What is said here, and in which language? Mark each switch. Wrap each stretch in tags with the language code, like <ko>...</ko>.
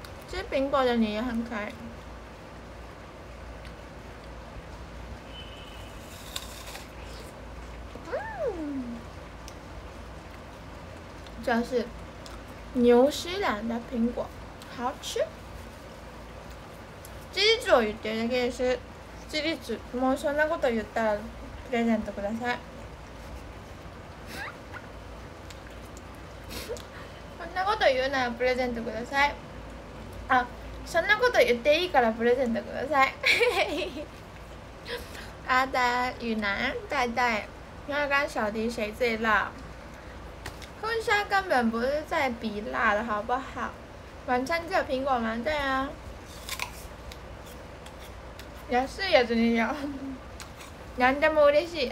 <zh>吃苹果的你也很可爱。嗯，这是纽西兰的苹果，好吃。</zh> <ja>チーズを言ってるだけです。チーズ、もうそんなこと言ったらプレゼントください。そんなこと言うならプレゼントください。あ、そんなこと言っていいからプレゼントください。</ja> <zh>阿丹、雨南、代代、要跟小迪谁最辣？婚纱根本不是在比辣的好不好？晚餐只有苹果吗？对啊。也是也真的有，</zh> <ja>何でも嬉しい。</ja>